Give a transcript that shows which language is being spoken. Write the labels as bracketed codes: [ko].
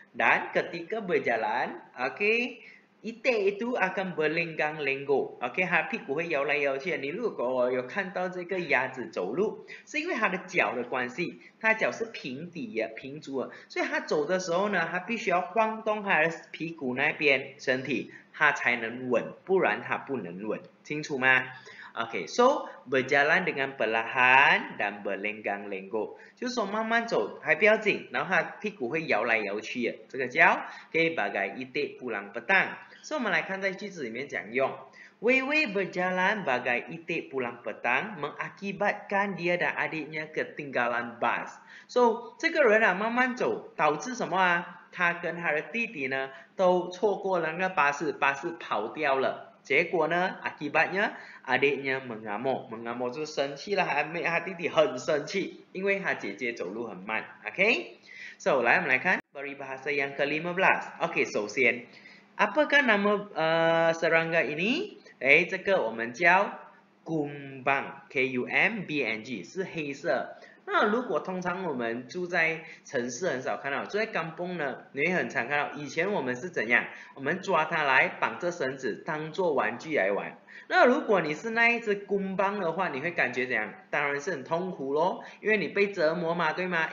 [ms] Dan ketika berjalan, OK,itik itu akan berlenggang-lenggo， OK， [zh] 它屁股会摇来摇去。你如果有看到这个鸭子走路，是因为它的脚的关系，它脚是平底的，平足的，所以它走的时候呢，它必须要晃动它的屁股那边身体，它才能稳，不然它不能稳，清楚吗？ OK， so [ms] berjalan dengan perlahan dan berlenggang-lenggo， [zh] 就是说慢慢走还不要紧，然后它屁股会摇来摇去的，这个叫 OK， [ms] bagai itik pulang petang。 [zh] 所以我们来看在句子里面讲用。 [ms] Weiwei berjalan bagai itik pulang petang mengakibatkan dia dan adiknya ketinggalan bus。 [zh] So 这个人啊慢慢走导致什么啊，他跟他的弟弟呢都错过了那个巴士，巴士跑掉了，结果呢 [ms] akibatnya adiknya mengamuk， [zh] mengamuk 就生气了， 他弟弟很生气，因为他姐姐走路很慢。 OK， so 来我们来看 [ms] peribahasa yang ke-15。 [zh] OK， 首先 [ms] apakah nama serangga ini? [zh] 这个我们叫 Kumbang, K-U-M-B-N-G, 是黑色。那如果通常我们住在城市很少看到，住在kampung呢，你会很常看到。以前我们是怎样？我们抓它来绑着绳子，当做玩具来玩。那如果你是那一只kumbang的话，你会感觉怎样？当然是很痛苦咯，因为你被折磨嘛，对吗？